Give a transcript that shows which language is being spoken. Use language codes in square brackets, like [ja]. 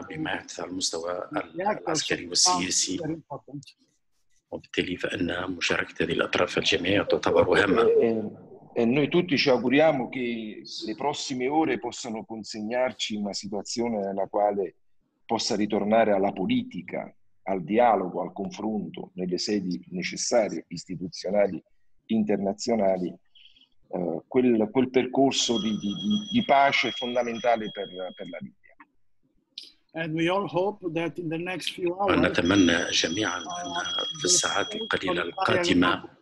[ar] بما يحدث على المستوى العسكري والسياسي وبالتالي فإن مشاركة هذه الأطراف الجميع تعتبر هامة. [it] E noi tutti ci auguriamo che le prossime ore possano consegnarci una situazione nella quale possa ritornare alla politica, al dialogo, al confronto nelle sedi necessarie, istituzionali, internazionali, quel percorso di pace fondamentale per la Libia. [en] And we all hope that in the next few hours, [ar] ونتمنى جميعا أن في الساعات القليلة القادمة